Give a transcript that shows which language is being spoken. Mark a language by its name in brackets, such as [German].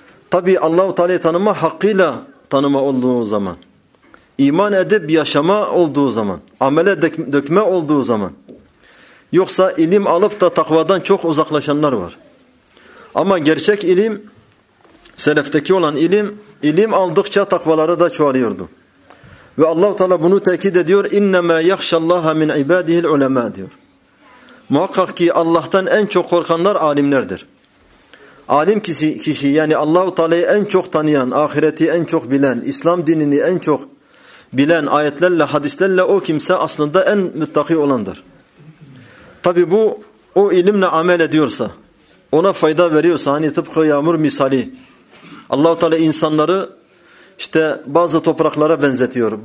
[Turkish] Tabi Allah-u Teala'yı tanıma hakkıyla tanıma olduğu zaman, iman edip yaşama olduğu zaman, amele dökme olduğu zaman. Yoksa ilim alıp da takvadan çok uzaklaşanlar var. Ama gerçek ilim, selefteki olan ilim, ilim aldıkça takvaları da çoğalıyordu. Ve Allah-u Teala bunu tekit ediyor. [Arabic] اِنَّمَا يَخْشَ اللّٰهَ مِنْ عِبَادِهِ الْعُلَمَاءِ diyor. [Turkish] Muhakkak ki Allah'tan en çok korkanlar alimlerdir. Alim kişi yani Allah-u Teala'yı en çok tanıyan, ahireti en çok bilen, İslam dinini en çok bilen ayetlerle, hadislerle o kimse aslında en müttaki olandır. Tabi bu, o ilimle amel ediyorsa, ona fayda veriyorsa, hani tıpkı yağmur misali, Allah-u Teala insanları İşte bazı topraklara benzetiyor.